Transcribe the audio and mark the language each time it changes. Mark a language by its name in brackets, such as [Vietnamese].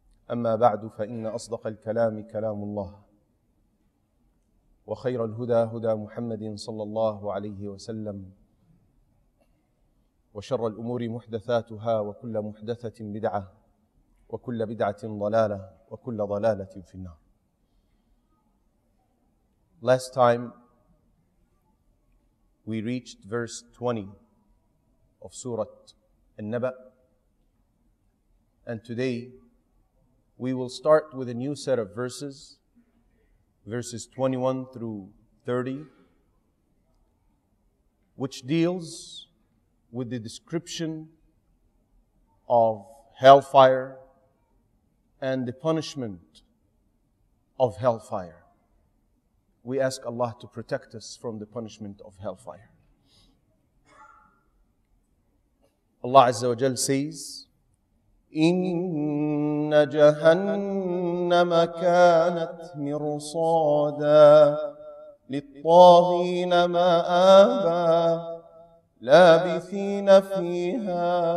[Arabic] أما بعد، فإن أصدق الكلام كلام الله، وخير الهدى هدى محمد صلى الله عليه وسلم، وشر الأمور محدثاتها، وكل محدثة بدعة، وكل بدعة ضلالة، وكل ضلالة في النار. [English] Last time we reached verse 20 of Surah An-Naba, and today we will start with a new set of verses, verses 21 through 30, which deals with the description of hellfire and the punishment of hellfire. We ask Allah to protect us from the punishment of hellfire. [Arabic] Allah Azza wa Jal says, إن جهنم كانت مرصادا للطاغين مآبا لابثين فيها